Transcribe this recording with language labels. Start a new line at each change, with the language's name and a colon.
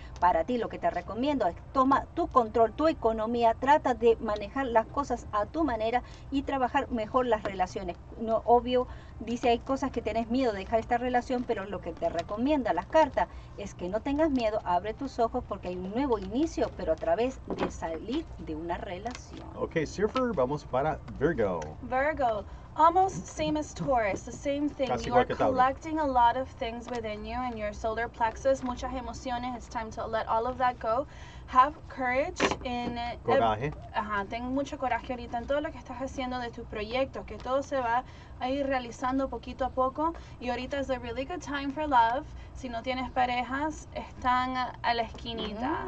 Spanish: Para ti lo que te recomiendo es toma tu control, tu economía, trata de manejar las cosas a tu manera y trabajar mejor las relaciones. No, obvio, dice, hay cosas que tenés miedo de dejar esta relación, pero lo que te recomienda las cartas es que no tengas miedo, abre tus ojos porque hay un nuevo inicio, pero a través de salir de una relación. Ok, Surfer, vamos para Virgo.
English: Virgo, almost same as Taurus, the same thing.
Spanish: Casi
English: you are collecting a lot of things within you and your solar plexus,
Spanish: muchas emociones,
English: it's time to let all of that go. Have courage in
Spanish: coraje. Ten mucho coraje ahorita en todo lo que estás haciendo de tus proyectos, que todo se va a ir realizando poquito a poco. Y ahorita es
English: a really good time for love.
Spanish: Si no tienes parejas, están a la esquinita.